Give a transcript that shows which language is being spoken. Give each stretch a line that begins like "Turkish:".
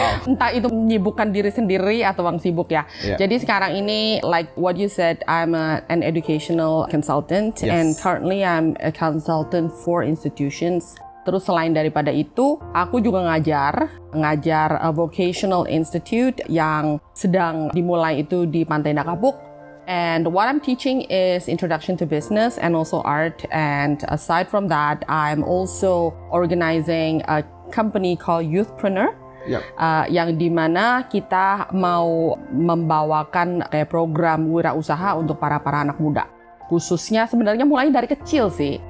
Indonesian: Entah itu menyibukkan diri sendiri atau uang sibuk ya. Yeah. Jadi sekarang ini,
English: like what you said, I'm an educational consultant. Yes. And currently I'm a consultant for institutions.
Indonesian: Terus selain daripada itu, aku juga ngajar
English: a vocational institute
Indonesian: yang sedang dimulai itu di Pantai Nakapuk.
English: And what I'm teaching is introduction to business and also art. And aside from that, I'm also organizing a company called Youthpreneur. Yep.
Indonesian: Yang dimana kita mau membawakan kayak program wirausaha untuk para anak muda. Khususnya sebenarnya mulai dari kecil sih.